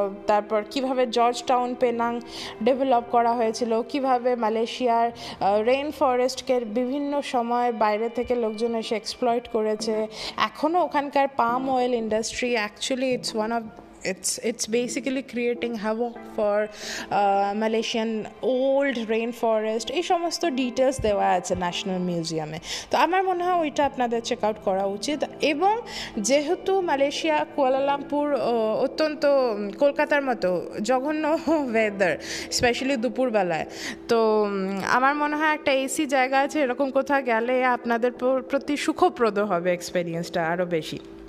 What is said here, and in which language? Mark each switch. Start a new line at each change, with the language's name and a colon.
Bangla: তারপর কীভাবে George town Penang develop করা হয়েছিল, কীভাবে মালয়েশিয়ার রেইন ফরেস্টকে বিভিন্ন সময় বাইরে থেকে লোকজন এসে এক্সপ্লয়েট করেছে, এখনও ওখানকার palm oil industry
English: Actually it's one of It's basically creating havoc for Malaysian old rainforest.
Bangla: এই সমস্ত ডিটেলস দেওয়া আছে ন্যাশনাল মিউজিয়ামে। তো আমার মনে হয় ওইটা আপনাদের চেক আউট করা উচিত। এবং যেহেতু মালয়েশিয়া কুয়ালালামপুর অত্যন্ত কলকাতার মতো জঘন্য ওয়েদার, স্পেশালি দুপুরবেলায়, তো আমার মনে হয় একটা এসি জায়গা আছে এরকম কোথাও গেলে আপনাদের প্রতি সুখপ্রদ হবে এক্সপিরিয়েন্সটা আরও বেশি।